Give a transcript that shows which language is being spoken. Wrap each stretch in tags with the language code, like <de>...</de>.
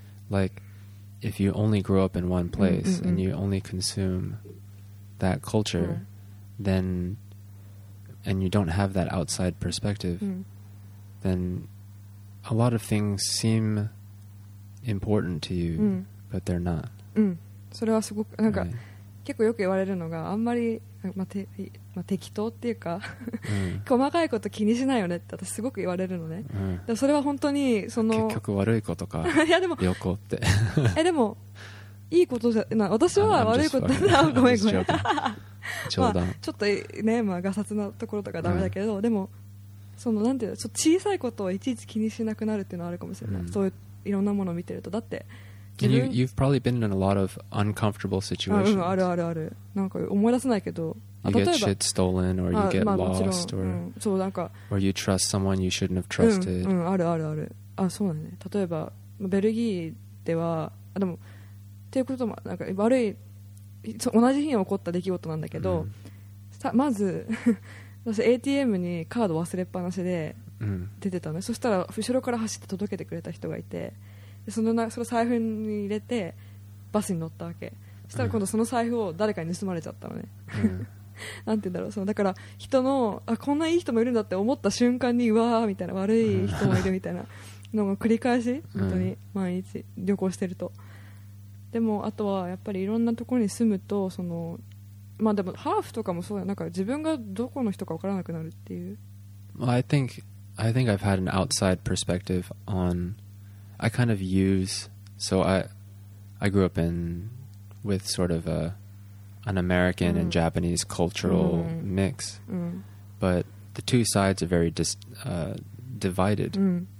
<en>Like, if you only grew up in one place、mm-hmm. and you only consume that culture,、mm-hmm. then and you don't have that outside perspective,、 mm-hmm. then a lot of things seem important to you,、 mm-hmm. but they're not.、</en> <ja>Mm-hmm. それはすごくなんか、right? 結構よく言われるのがあんまり、まあ、適当っていうか細かいこと気にしないよねって私すごく言われるのね、うん、それは本当にその結局悪いことかいやでも旅行ってえでもいいことじゃな、私は悪いことだごめんごめん、冗談、まあ、ちょっとね、まあ、ガサツなところとかダメだけど、うん、でもそのなんていうの、ちょっと小さいことをいちいち気にしなくなるっていうのはあるかもしれない、うん、そういういろんなものを見てると。だって</ja> <en>You've probably been in a lot of uncomfortable situations.</en> <ja>あるあるある。なんか思い出せないけど。</ja> <en>You get shit stolen or you get lost or、</en> <ja>うん、そうなんか。</ja> <en>Or you trust someone you shouldn't have trusted.</en> <ja>うん、うん、あるあるある。あ、そうだね。例えばベルギーでは、あ、でもていうこともなんか悪い同じ日に起こった出来事なんだけど、うん、さまず私 ATM にカード忘れっぱなしで出てたの、うん、そしたら後ろから走って届けてくれた人がいて、でそのなその財布に入れてバスに乗ったわけ。そしたら今度その財布を誰かに盗まれちゃったのね、うん、なんて言うんだろう、そのだから人のあこんないい人もいるんだって思った瞬間にうわーみたいな悪い人もいるみたいなのが繰り返し本当に毎日旅行してると、うん、でもあとはやっぱりいろんなところに住むとそのまあでもハーフとかもそうだよ、なんか自分がどこの人か分からなくなるっていう。</ja> <en>Well, I think I've had an outside perspective on I kind of use so I grew up in with sort of an American、mm. and Japanese cultural、mm. mix、mm. but the two sides are very divided、mm.</en>